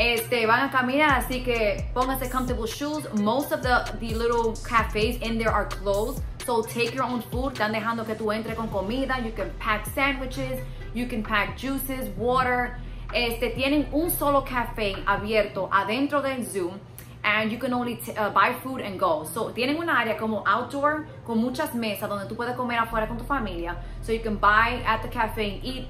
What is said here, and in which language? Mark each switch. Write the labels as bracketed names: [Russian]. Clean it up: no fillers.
[Spanish] Van a caminar, así que pónganse [English] comfortable shoes. Most of the little cafes in there are closed. So, take your own food. [Spanish] Están dejando que tú entres con comida. [English] You can pack sandwiches. You can pack juices, water. [Spanish] Tienen un solo café abierto adentro del zoo. [English] And you can only buy food and go. [Spanish] So, tienen un área como outdoor con muchas mesas donde tú puedes comer afuera con tu familia. [English] So, you can buy at the cafe and eat.